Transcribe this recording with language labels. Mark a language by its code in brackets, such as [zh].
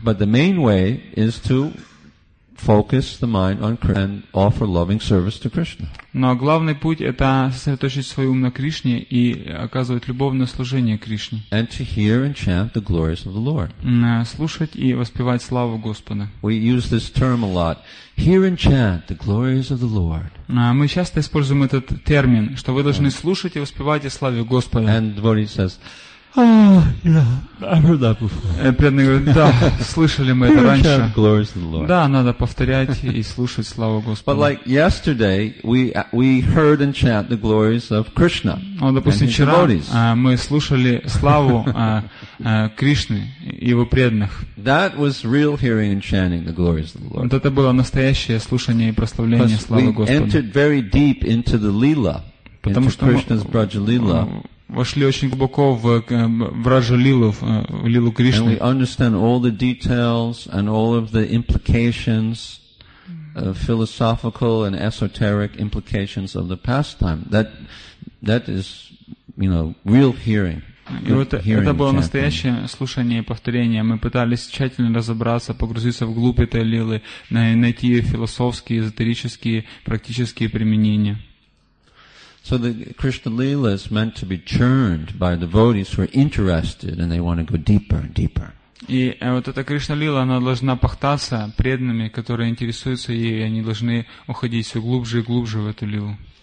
[en] But the main way is to focus the mind on Krishna and offer loving service to Krishna. [ru] Но главный путь — это сосредоточить свой ум на Кришне и оказывать любовное служение Кришне. [en] And to hear and chant the glories of the Lord. [ru] Слушать и воспевать славу Господа. [en] We use this term a lot. Hear and chant the glories of the Lord. [ru] Мы часто используем этот термин, что вы должны слушать и воспевать о славе Господа. [en] And devotee says, I've heard that before. [ru] Преданный говорит, да, слышали мы это раньше. [en] Hear and chant glories of the Lord. [ru] Да, надо повторять и слушать славу Господа. [en] But like yesterday, we heard and chant the glories of Krishna. [ru] Допустим, вчера мы слушали славу Кришны и его преданных. [en] That was real hearing and chanting the glories of the Lord. [ru] Это было настоящее слушание и прославление славы Господа. [en] We entered very deep into the lila, [ru] потому [en] into Krishna's Braja lila. [ru] Вошли очень глубоко в Раджа-лилу, в лилу Кришны. [en] And we understand all the details and all of the implications, philosophical and esoteric implications of the pastime. That is, you know, real hearing. [ru] И вот это было настоящее слушание и повторение. Мы пытались тщательно разобраться, погрузиться вглубь этой лилы, найти философские, эзотерические, практические применения. [en] So the Krishna Lila is meant to be churned by devotees who are interested and they want to go deeper and deeper. [ru] И вот эта Кришна Лила, она должна пахтаться преданными, которые интересуются ей, и они должны уходить все глубже и глубже в эту лилу.